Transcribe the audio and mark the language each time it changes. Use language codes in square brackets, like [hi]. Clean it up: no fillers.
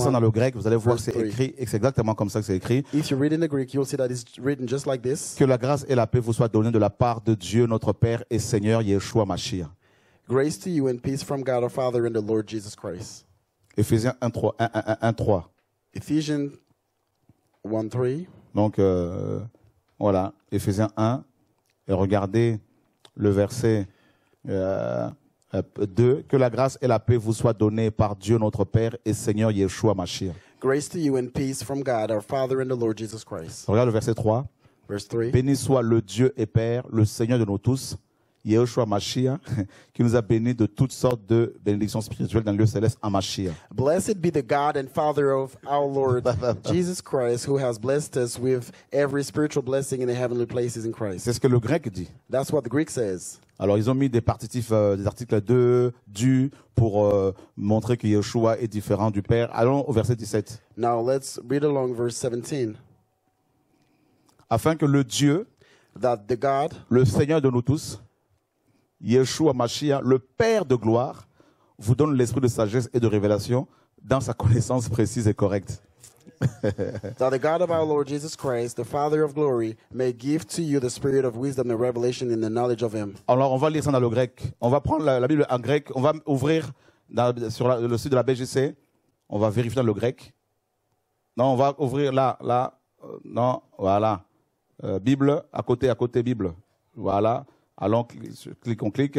[fr] ça dans le grec, vous allez voir que c'est écrit, et c'est exactement comme ça que c'est écrit. [en] If you read in the Greek, you'll see that it's written just like this. [fr] Que la grâce et la paix vous soient données de la part de Dieu notre Père et Seigneur Yeshua Mashiach. [en] Grace to you and peace from God our Father and the Lord Jesus Christ. [fr] Ephésiens 1:3. [en] Ephesians 1:3. [fr] Donc voilà, Ephésiens 1 et regardez le verset 2, que la grâce et la paix vous soient données par Dieu notre Père et Seigneur Yeshua Mashiach. [en] Grace to you and peace from God, our Father and the Lord Jesus Christ. [fr] Regarde le verset 3. [en] Verse 3. [fr] Béni soit le Dieu et Père, le Seigneur de nous tous, Yeshua Mashiach, qui nous a bénis de toutes sortes de bénédictions spirituelles dans le lieu céleste en Mashiach. [en] Blessed be the God and Father of our Lord Jesus Christ, who has blessed us with every spiritual blessing in the heavenly places in Christ. [fr] C'est ce que le grec dit. [en] That's what the Greek says. [fr] Alors, ils ont mis des partitifs, des articles de, du, pour montrer que Yeshua est différent du Père. Allons au verset 17. [en] Now, let's read along verse 17. [fr] Afin que le Dieu, [en] that the God, [fr] le Seigneur de nous tous, Yeshua Mashiach, le Père de gloire, vous donne l'esprit de sagesse et de révélation dans sa connaissance précise et correcte. [en] That the God of our Lord Jesus Christ, the Father of glory, may give to you the spirit of wisdom and revelation in the knowledge of him. [fr] Alors, on va lire ça dans le grec. On va prendre la Bible en grec. On va ouvrir dans, sur la, le site de la BGC. On va vérifier dans le grec. Non, on va ouvrir là, là. Non, voilà. Bible, à côté Bible. Voilà. Allons, cliquons, clique.